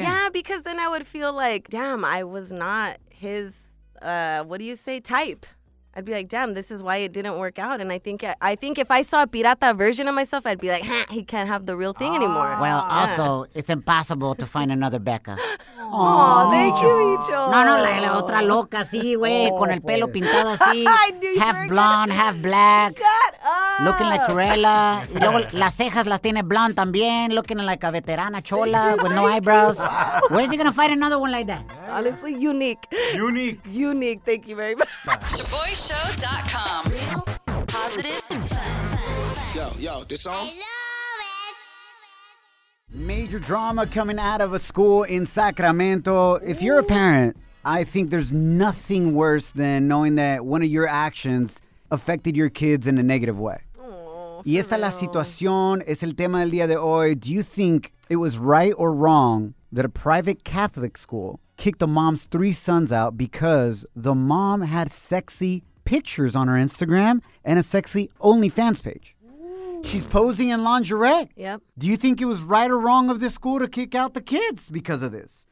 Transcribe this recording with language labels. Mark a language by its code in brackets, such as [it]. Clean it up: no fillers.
[en] Yeah, because then I would feel like, damn, I was not his, type? I'd be like, damn, this is why it didn't work out. And I think if I saw a pirata version of myself, I'd be like, ha, he can't have the real thing anymore. Well, also, it's impossible to find another Becca. Aww. Aww, thank you, Micho. [es] No, la otra loca, sí, güey, con el pelo pintado así. [en] Half blonde, half black. Shut up. Looking like Cruella. [es] Luego, las cejas las tiene blonde también. [en] Looking like a veterana chola with no eyebrows. Where is he going to find another one like that? Honestly, unique. Unique. Unique. Thank you very much. ShaboyShow.com. Real, positive, fun. Yo, this song? I love it. Major drama coming out of a school in Sacramento. Ooh. If you're a parent, I think there's nothing worse than knowing that one of your actions affected your kids in a negative way. Aww, [es] y esta la situación, es el tema del día de hoy. [en] Do you think it was right or wrong that a private Catholic school kicked the mom's 3 sons out because the mom had sexy pictures on her Instagram and a sexy OnlyFans page? Ooh. She's posing in lingerie. Yep. Do you think it was right or wrong of this school to kick out the kids because of this?